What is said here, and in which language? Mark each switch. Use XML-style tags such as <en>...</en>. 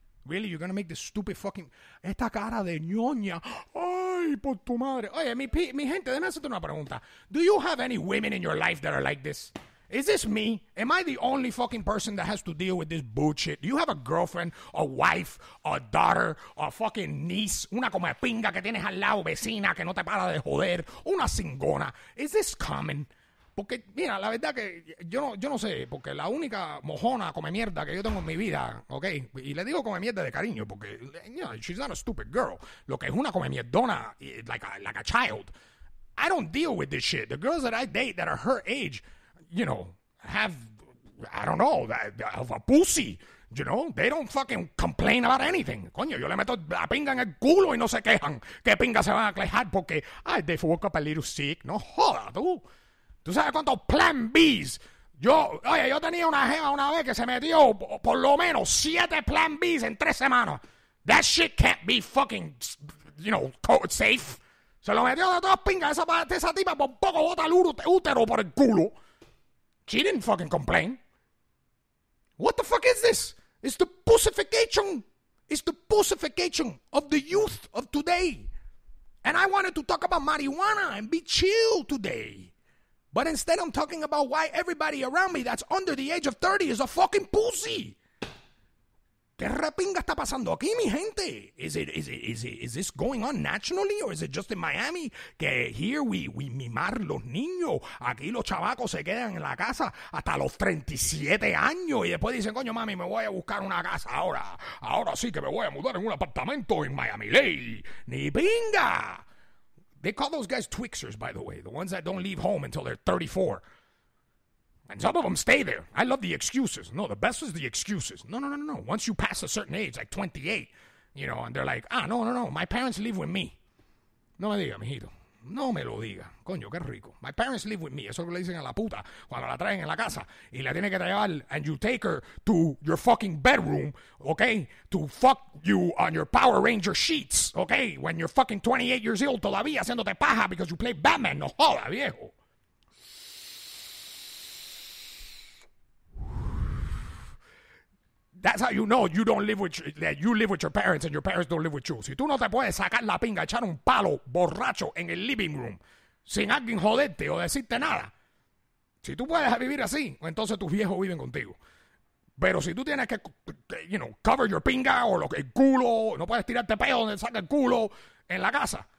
<en>Really, you're going to make this stupid fucking...</en> <es>Esta cara de ñoña. Ay, por tu madre. Oye, mi gente, déjame hacerte una pregunta.</es> <en>Do you have any women in your life that are like this? Is this me? Am I the only fucking person that has to deal with this bullshit? Do you have a girlfriend, a wife, a daughter, a fucking niece?</en> <es>Una como pinga que tienes al lado, vecina, que no te para de joder. Una singona.</es> <en>Is this common?</en> <es>Porque, mira, la verdad que yo no sé. Porque la única mojona come mierda que yo tengo en mi vida, ¿ok? Y le digo come mierda de cariño porque,</es> <en>you know, she's not a stupid girl.</en> <es>Lo que es una come mierdona,</es> <en>like a child. I don't deal with this shit. The girls that I date that are her age... You know, have a pussy, you know? They don't fucking complain about anything.</en> <es>Coño, yo le meto la pinga en el culo y no se quejan. ¿Qué pinga se van a quejar? Porque, ay,</es> <en>they woke up a little sick.</en> <es>No joda, tú. ¿Tú sabes cuántos plan Bs? Yo tenía una jeva una vez que se metió por lo menos 7 plan Bs en 3 semanas.</es> <en>That shit can't be fucking, you know, code safe.</en> <es>Se lo metió de todas pingas esa tipa por poco bota el útero por el culo.</es> <en>She didn't fucking complain. What the fuck is this? It's the pussification. It's the pussification of the youth of today. And I wanted to talk about marijuana and be chill today. But instead I'm talking about why everybody around me that's under the age of 30 is a fucking pussy.</en> <es>¿Qué repinga está pasando aquí, mi gente?</es> <en>Is this going on nationally or is it just in Miami?</en> <es>Que</es> <en>here we</en> <es>mimar los niños. Aquí los chavacos se quedan en la casa hasta los 37 años. Y después dicen, coño, mami, me voy a buscar una casa ahora. Ahora sí que me voy a mudar en un apartamento en Miami Lake. ¡Ni pinga!</es> <en>They call those guys Twixers, by the way. The ones that don't leave home until they're 34. And some of them stay there. I love the excuses. No, the best is the excuses. No. Once you pass a certain age, like 28, you know, and they're like, no. My parents live with me.</en> <es>No me diga, mijito. No me lo diga. Coño, qué rico. My parents live with me. Eso le dicen a la puta cuando la traen en la casa. Y la tiene que llevar.</es> <en>And you take her to your fucking bedroom, okay? To fuck you on your Power Ranger sheets, okay? When you're fucking 28 years old</en> <es>todavía haciéndote paja</es> <en>because you play Batman.</en> <es>No joda, viejo.</es> <en>That's how you know you don't live with that you live with your parents and your parents don't live with you.</en> <es>Si tú no te puedes sacar la pinga, echar un palo borracho en el living room sin alguien joderte o decirte nada. Si tú puedes vivir así, entonces tus viejos viven contigo. Pero si tú tienes que,</es> <en>you know, cover your</en> <es>pinga o lo que el culo, no puedes tirarte pedo donde saca el culo en la casa.</es>